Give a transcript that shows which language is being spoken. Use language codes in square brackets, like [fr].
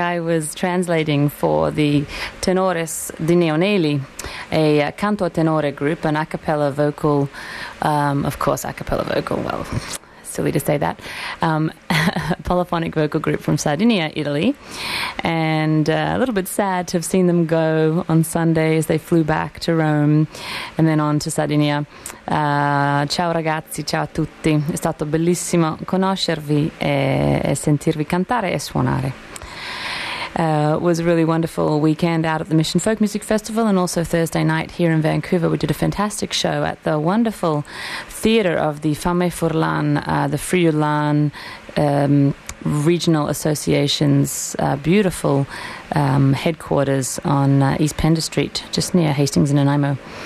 [en] I was translating for the Tenores di Neonelli, a canto tenore group, an a cappella vocal, of course, a cappella vocal, well, silly to say that, polyphonic vocal group from Sardinia, Italy. And a little bit sad to have seen them go on Sunday as they flew back to Rome and then on to Sardinia. [it] Ciao ragazzi, ciao a tutti. È stato bellissimo conoscervi e sentirvi cantare e suonare. [en] It was a really wonderful weekend out at the Mission Folk Music Festival, and also Thursday night here in Vancouver we did a fantastic show at the wonderful theatre of the Fame Furlan, the Friulan Regional Association's beautiful headquarters on East Pender Street, just near Hastings and Nanaimo.